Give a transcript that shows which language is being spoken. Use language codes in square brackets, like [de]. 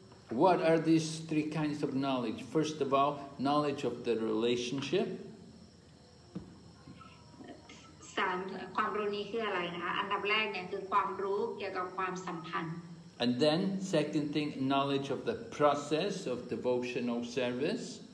[en] What are these three kinds of knowledge? First of all, knowledge of the relationship. [th] ความรู้นี้คืออะไรนะคะอันดับแรกเนี่ยคือความรู้เกี่ยวกับความสัมพันธ์ [en] and then second thing knowledge of the process of devotional service